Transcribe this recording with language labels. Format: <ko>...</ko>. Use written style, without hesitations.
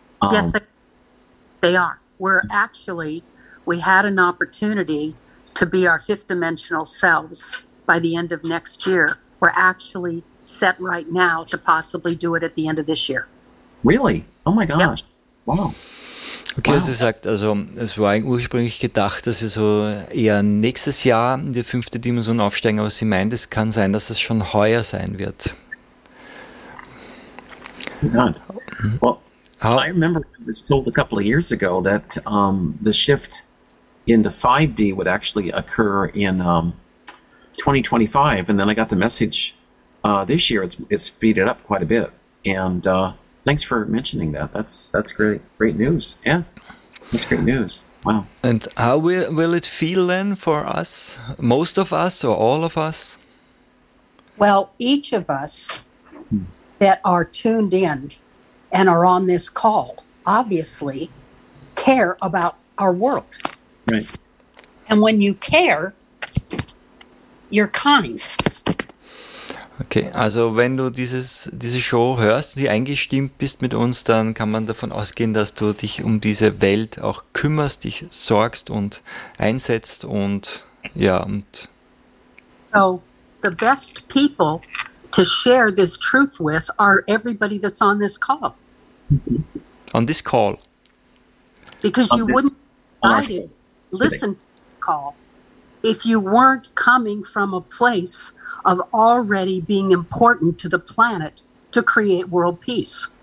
<en>Yes, they are. We had an opportunity to be our fifth dimensional selves by the end of next year. We're actually set right now to possibly do it at the end of this year. Really? Oh my gosh. Yep. Wow. Okay, wow.</en> <de>Sie sagt, also es war ursprünglich gedacht, dass sie so eher nächstes Jahr in die fünfte Dimension aufsteigen, aber sie meint, es kann sein, dass es schon heuer sein wird.</de> <en>Well, I remember I was told a couple of years ago that the shift into 5D would actually occur in 2025, and then I got the message this year it's speeded up quite a bit, and thanks for mentioning that. That's great news. Yeah, that's great news. Wow. And how will it feel then for us, most of us or all of us? Well, each of us that are tuned in and are on this call obviously care about our world. Right. And when you care, you're kind.</en> <de>Okay, also wenn du diese Show hörst und die eingestimmt bist mit uns, dann kann man davon ausgehen, dass du dich um diese Welt auch kümmerst, dich sorgst und einsetzt und ja. Und</de> <en>so, the best people to share this truth with are everybody that's on this call. On this call. Because you wouldn't listen to the call if you weren't coming from a place of already being important to the planet to create world peace.</en>